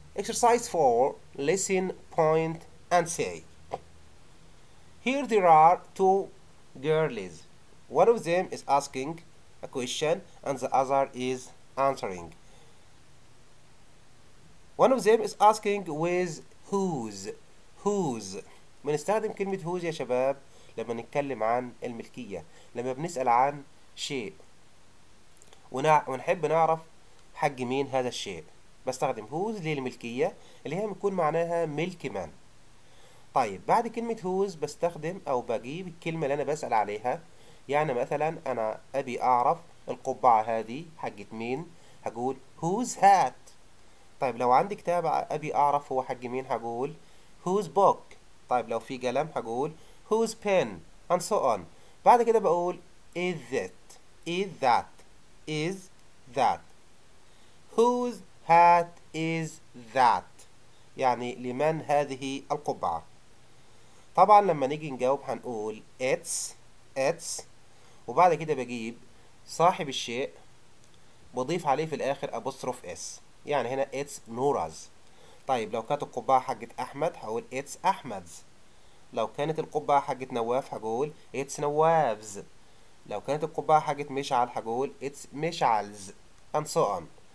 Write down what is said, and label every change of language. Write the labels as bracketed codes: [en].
[en] Exercise 4, listen, point, and say. Here there are 2 girlies. One of them is asking a question and the other is answering. One of them is asking with whose, whose. [ar] بنستخدم كلمة whose يا شباب لما نتكلم عن الملكية، لما بنسأل عن شيء ونحب نعرف حق مين هذا الشيء، بستخدم whose للملكية اللي هي بيكون معناها ملك من. طيب بعد كلمة whose بستخدم أو بجيب الكلمة اللي أنا بسأل عليها، يعني مثلا أنا أبي أعرف القبعة هذه حقت مين؟ هقول [en] whose hat. [ar] طيب لو عندي كتاب أبي أعرف هو حق مين، هقول [en] whose book. [ar] طيب لو في قلم هقول [en] whose pen and so on. [ar] بعد كده بقول [en] is it, is that, [ar] is that, whose hat is that، يعني لمن هذه القبعة. طبعا لما نيجي نجاوب هنقول [en] it's, it's، [ar] وبعد كده بجيب صاحب الشيء بضيف عليه في الآخر أبوستروف إس، يعني هنا [en] it's Nora's. [ar] طيب لو كانت القبعة حقت أحمد هقول [en] it's Ahmed's، [ar] لو كانت القبعة حقت نواف هقول [en] it's Nawaf's، [ar] لو كانت القبعة حقت مشعل هقول [en] it's Mishal's and so on.